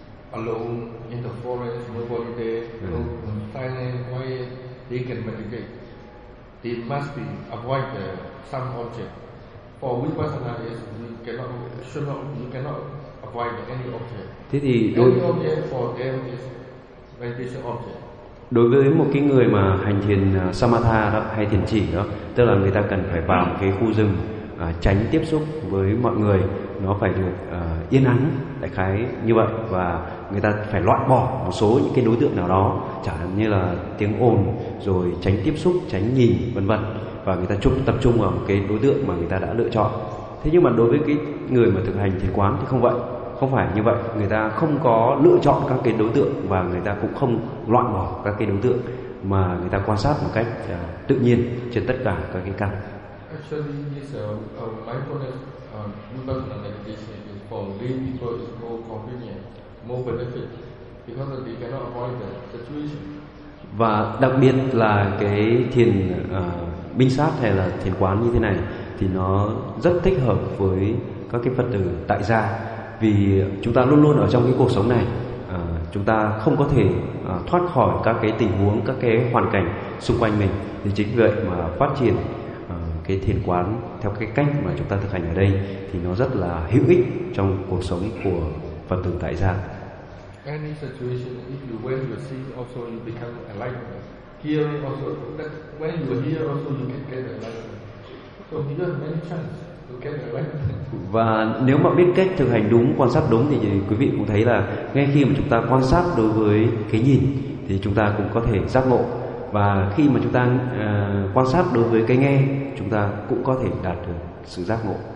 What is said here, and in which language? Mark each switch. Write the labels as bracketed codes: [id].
[en] Alone in the forest, nobody there, silent, quiet, they can meditate. They must be avoid the some object. For vipassana is you cannot avoid any object. [vi] Thế thì [en] any object for them is meditation object. [vi] Đối với một cái người mà hành thiền samatha đó hay thiền chỉ đó, tức là người ta cần phải vào một cái khu rừng tránh tiếp xúc với mọi người, nó phải được yên ắng, đại khái như vậy, và người ta phải loại bỏ một số những cái đối tượng nào đó, chẳng hạn như là tiếng ồn, rồi tránh tiếp xúc, tránh nhìn, vân vân, và người ta tập trung vào một cái đối tượng mà người ta đã lựa chọn. Thế nhưng mà đối với cái người mà thực hành thiền quán thì không vậy, không phải như vậy. Người ta không có lựa chọn các cái đối tượng và người ta cũng không loại bỏ các cái đối tượng, mà người ta quan sát một cách tự nhiên trên tất cả các cái căn. [en] Actually, this mindfulness, vipassana meditation is for lay people. It's more convenient, more benefit, because they cannot avoid the situation. [vi] Và đặc biệt là cái thiền minh sát hay là thiền quán như thế này thì nó rất thích hợp với các cái Phật tử tại gia, vì chúng ta luôn luôn ở trong cái cuộc sống này, chúng ta không có thể thoát khỏi các cái tình huống, các cái hoàn cảnh xung quanh mình. Thì chính vì vậy mà phát triển cái thiền quán theo cái cách mà chúng ta thực hành ở đây thì nó rất là hữu ích trong cuộc sống của Phật tử tại gia. [en] Any situation, if you when you see also you become enlightened. Here also, when you are here also you can get enlightened. So you have many chances. [vi] Và nếu mà biết cách thực hành đúng, quan sát đúng thì quý vị cũng thấy là ngay khi mà chúng ta quan sát đối với cái nhìn thì chúng ta cũng có thể giác ngộ, và khi mà chúng ta quan sát đối với cái nghe chúng ta cũng có thể đạt được sự giác ngộ.